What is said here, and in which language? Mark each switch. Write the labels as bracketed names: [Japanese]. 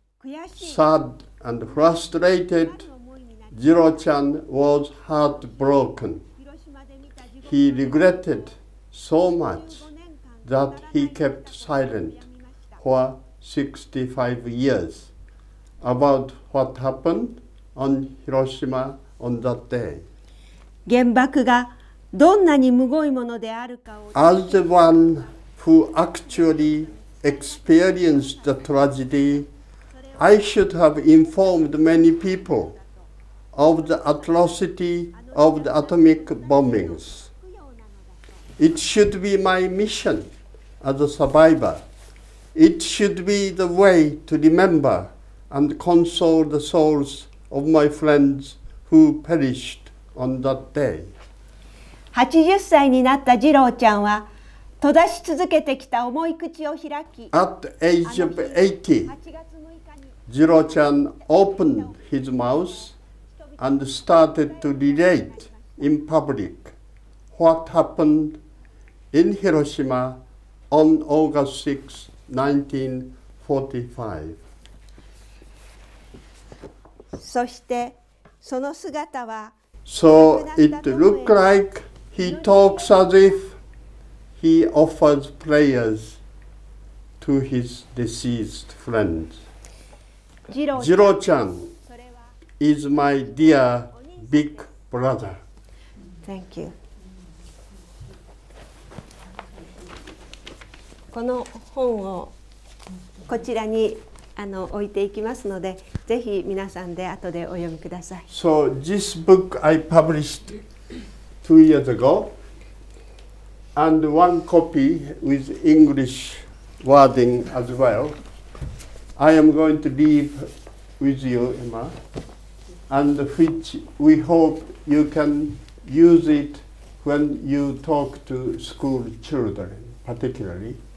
[Japanese] 悔しい。 [English] Sad and frustrated, Jiro-chan was heartbroken. He regretted so much that he kept silent for 65 years about what happened on Hiroshima on that day. [Japanese] 原爆がどんなにむごいものであるかを [English] As the one who actually experienced the tragedy, I should have informed many people of the atrocity of the atomic bombings. It should be my mission as a survivor. It should be the way to remember and console the souls of my friends who perished. On that day. [Japanese] 80歳になったジローちゃんは閉ざし続けてきた重い口を開き [English] At the age of 80, ジローちゃん opened his mouth and started to relate in public what happened in Hiroshima on August 6, 1945. [Japanese] そしてその姿は [English] So it looked like he talks as if he offers prayers to his deceased friends. Jiro-chan is my dear big brother. Thank you. [Japanese] この本をこちらに置いていきますので、ぜひ皆さんで後でお読みください。 [English] So this book I published 2 years ago, and one copy with English wording as well. I am going to leave with you, Emma. and which we hope you can use it when you talk to school children, particularly.